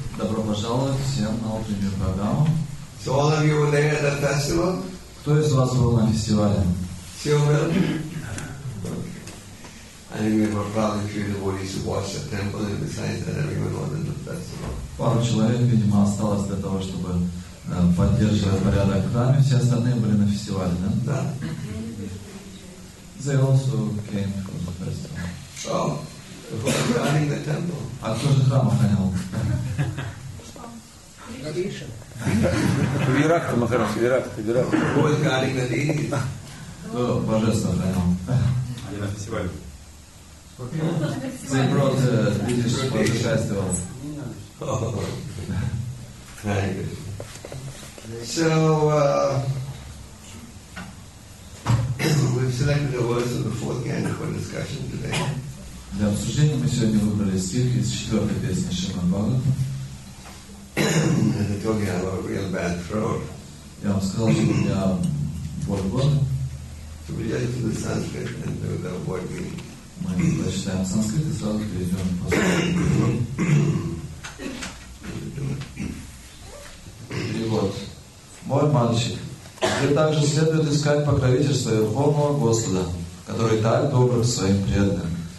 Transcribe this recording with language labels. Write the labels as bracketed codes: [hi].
[ru] Добро пожаловать всем на утреннюю программу. [en] So all of you were there at the festival? [ru] Кто из вас был на фестивале? [en] I think there were probably a few devotees who watched the temple, and besides that, everyone was in the festival. [ru] Пару человек, видимо, осталось для того, чтобы поддерживать порядок в храме. Все остальные были на фестивале, да? Да. [en] They also came from the festival. Oh, who was running the temple? [ru] А кто же храм охранял? Вирахта Махарадж. [en] Who was guarding the deities? [ru] Кто божество охранял? Они на фестивале. [en] They brought the British for the festival. Oh, very good. So, we've selected the words of the fourth canto for discussion today. [ru] Для обсуждения мы сегодня выбрали стих из четвертой песни Шримад Бхагаватам. [en] They told me I have a real bad throat. [ru] Я вам сказал, что у меня боль в горле. [en] So we just do the Sanskrit and do the word meaning. [ru] Мы прочитаем санскрит и сразу перейдем по перевод. Мой мальчик, тебе также следует искать покровительство Верховного Господа, который так добр к своим преданным.